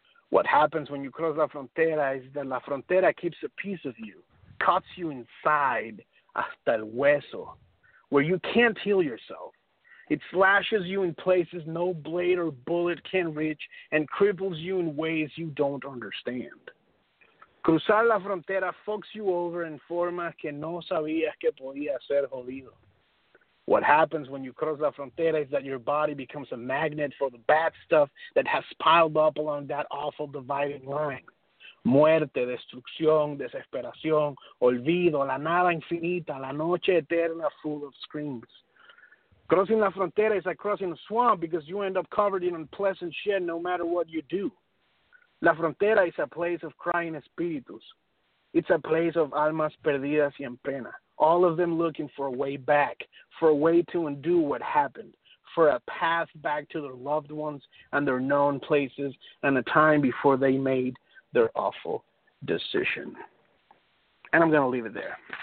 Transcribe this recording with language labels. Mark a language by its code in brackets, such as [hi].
[en] What happens when you cross la frontera is that la frontera keeps a piece of you, cuts you inside [es] hasta el hueso, [en] where you can't heal yourself. It slashes you in places no blade or bullet can reach and cripples you in ways you don't understand. [es] Cruzar la frontera [en] fucks you over in [es] formas que no sabías que podía ser jodido. [en] What happens when you cross la frontera is that your body becomes a magnet for the bad stuff that has piled up along that awful dividing line. [es] Muerte, destrucción, desesperación, olvido, la nada infinita, la noche eterna [en] full of screams. Crossing la frontera is like crossing a swamp because you end up covered in unpleasant shit no matter what you do. La frontera is a place of crying espíritus. It's a place of [es] almas perdidas y en pena, [en] all of them looking for a way back, for a way to undo what happened, for a path back to their loved ones and their known places and a time before they made their awful decision. And I'm going to leave it there.